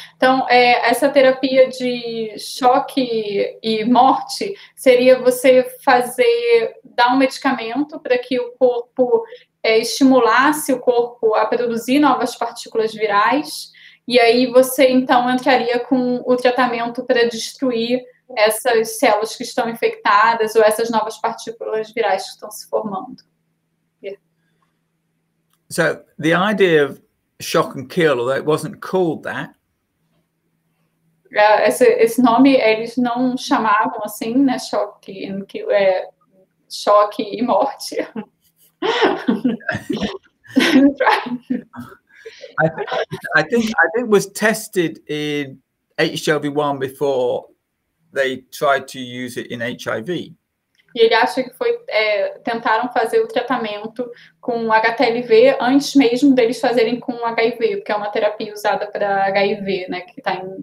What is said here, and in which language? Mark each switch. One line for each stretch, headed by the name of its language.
Portuguese: Então, essa terapia de choque e morte seria você dar um medicamento para que o corpo estimulasse o corpo a produzir novas partículas virais, e aí você, então, entraria com o tratamento para destruir essas células que estão infectadas ou essas novas partículas virais que estão se formando.
English: So the idea of shock and kill, although it wasn't called that.
Portuguese: Esse nome eles não chamavam assim, né? Choque and kill, choque e morte.
English: I think it was tested in HIV-1 before they tried to use it in HIV.
Portuguese: E ele acha que foi, tentaram fazer o tratamento com HTLV antes mesmo deles fazerem com HIV, porque é uma terapia usada para HIV, né, que está